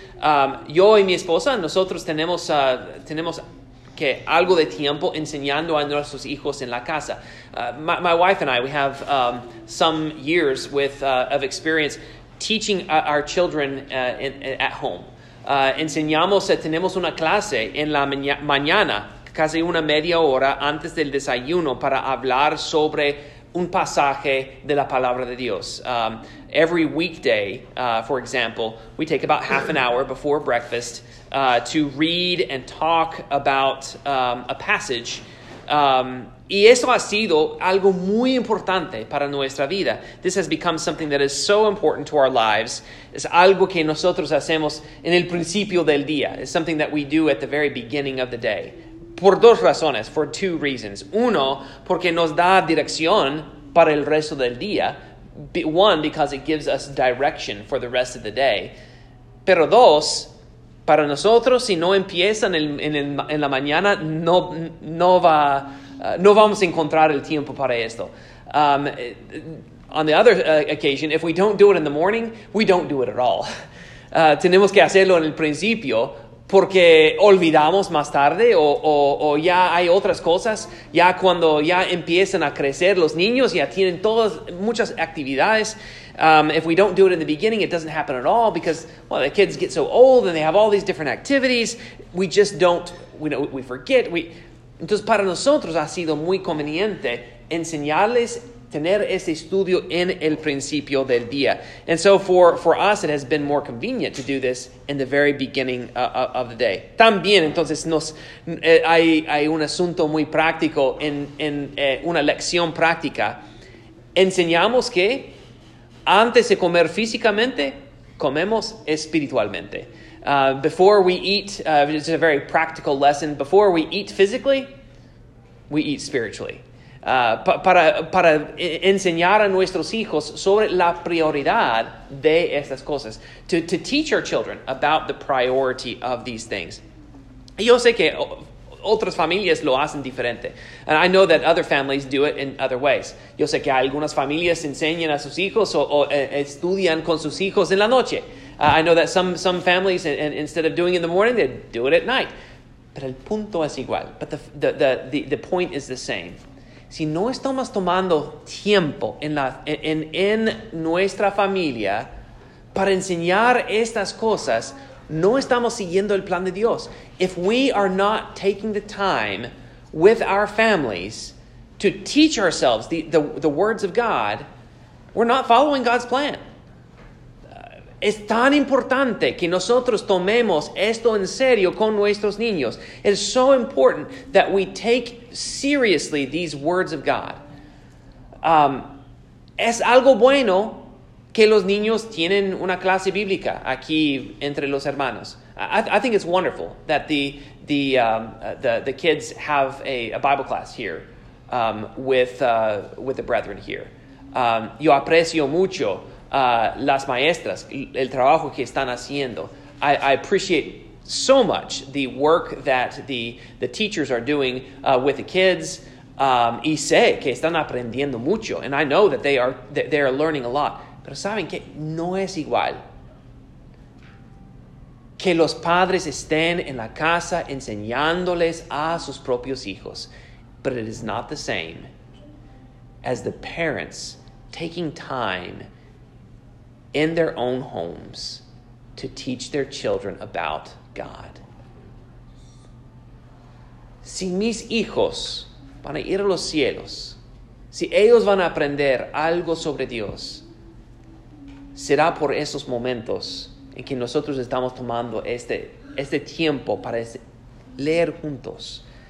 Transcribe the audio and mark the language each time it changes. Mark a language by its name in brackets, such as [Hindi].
[Spanish] Yo y mi esposa, nosotros tenemos que algo de tiempo enseñando a nuestros hijos en la casa. [English] My wife and I, we have some years of experience teaching our children at home. [Spanish] Tenemos una clase en la mañana, casi una media hora antes del desayuno, para hablar sobre un pasaje de la palabra de Dios. [English] Every weekday, for example, we take about half an hour before breakfast to read and talk about a passage. [Spanish] Y eso ha sido algo muy importante para nuestra vida. [English] This has become something that is so important to our lives. [Spanish] Es algo que nosotros hacemos en el principio del día. [English] It's something that we do at the very beginning of the day. [Spanish] Por dos razones, [English] for two reasons. [Spanish] Uno, porque nos da dirección para el resto del día. [English] One, because it gives us direction for the rest of the day. [Spanish] Pero dos, para nosotros, si no empiezan en la mañana, no vamos a encontrar el tiempo para esto. [English] On the other occasion, if we don't do it in the morning, we don't do it at all. [Spanish] Tenemos que hacerlo en el principio porque olvidamos más tarde o ya hay otras cosas. Ya cuando ya empiezan a crecer los niños, ya tienen todas muchas actividades. [English] If we don't do it in the beginning, it doesn't happen at all because, well, the kids get so old and they have all these different activities. We just don't, we forget. [Spanish] Entonces, para nosotros ha sido muy conveniente enseñarles tener ese estudio en el principio del día. [English] And so for us, it has been more convenient to do this in the very beginning of the day. [Spanish] También, entonces, hay un asunto muy práctico en una lección práctica. Enseñamos que antes de comer físicamente, comemos espiritualmente. [English] Before we eat, it's a very practical lesson. Before we eat physically, we eat spiritually. [Spanish] Para enseñar a nuestros hijos sobre la prioridad de estas cosas. [English] To teach our children about the priority of these things. [Spanish] Yo sé que otras familias lo hacen diferente. [English] And I know that other families do it in other ways. [Spanish] Yo sé que algunas familias enseñan a sus hijos o estudian con sus hijos en la noche. [English] I know that some families, instead of doing it in the morning, they do it at night. [Spanish] Pero el punto es igual. [English] But the point is the same. [Spanish] Si no estamos tomando tiempo en nuestra familia para enseñar estas cosas, no estamos siguiendo el plan de Dios. [English] If we are not taking the time with our families to teach ourselves the words of God, we're not following God's plan. [Spanish] Es tan importante que nosotros tomemos esto en serio con nuestros niños. [English] It's so important that we take seriously these words of God. [Spanish] Es algo bueno que los niños tienen una clase bíblica aquí entre los hermanos. [English] I think it's wonderful that the kids have a Bible class here with the brethren here. [Spanish] Yo aprecio mucho las maestras, el trabajo que están haciendo. [English] I appreciate so much the work that the teachers are doing with the kids. [Spanish] Y sé que están aprendiendo mucho. [English] And I know that they are learning a lot. [Spanish] Pero saben que no es igual que los padres estén en la casa enseñándoles a sus propios hijos. [English] But it is not the same as the parents taking time in their own homes to teach their children about God. [Spanish] Si mis hijos van a ir a los cielos, si ellos van a aprender algo sobre Dios, será por esos momentos en que nosotros estamos tomando este tiempo para leer juntos.